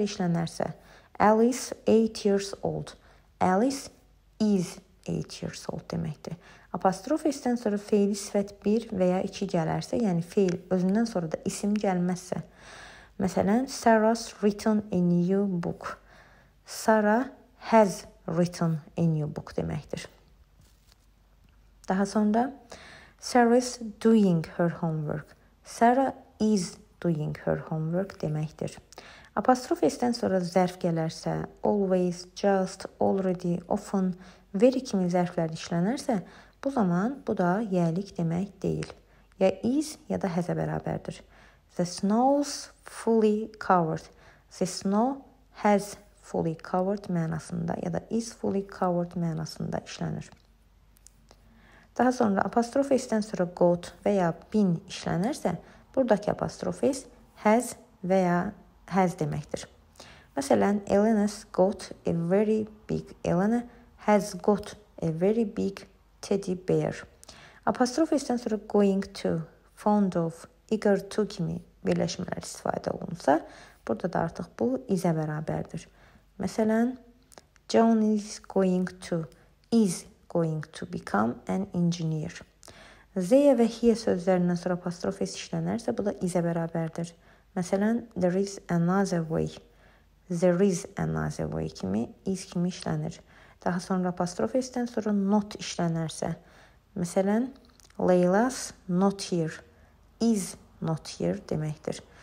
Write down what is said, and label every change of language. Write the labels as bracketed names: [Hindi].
[Azerbaijani] işlənərsə, [English] Alice 8 years old. Alice is 8 years old [Azerbaijani] deməkdir. Apostrofesdən sonra feil sifət 1 və ya 2 gələrsə, yəni feil özündən sonra da isim gəlməzsə, məsələn, [English] Sarah's written a new book. Sarah has written a new book [Azerbaijani] deməkdir. Daha sonra, [English] Sarah's doing her homework. Sarah is doing her homework [Azerbaijani] deməkdir. Apostrofesdən sonra zərf gələrsə, always, just, already, often, very kimi zərflər işlənərsə, bu zaman bu da yəlik demək deyil. Ya is, ya da has-ə bərabərdir. [English] The snow's fully covered. The snow has fully covered [Azerbaijani] mənasında ya da [English] is fully covered [Azerbaijani] mənasında işlənir. Daha sonra apostrofesdən sonra got və ya been işlənərsə, buradakı apostrofes has və ya has deməkdir. Məsələn, [English] Elena's got a very big. Elena has got a very big teddy bear. [Azerbaijani] Apostrofesdən sonra going to, fond of, eager to kimi birləşmələr istifadə olunsa, burada da artıq bu isə bərabərdir. Məsələn, [English] John is going to, is going to become an engineer. [Azerbaijani] They və he sözlərindən sonra apostrofes işlənərsə, bu da isə bərabərdir. Məsələn, [English] there is another way. There is another way [Azerbaijani] kimi, [English] is [Azerbaijani] kimi işlənir. Daha sonra apostrofesdən sonra not işlənərsə, məsələn, [English] Leyla's not here, is not here [Azerbaijani] deməkdir.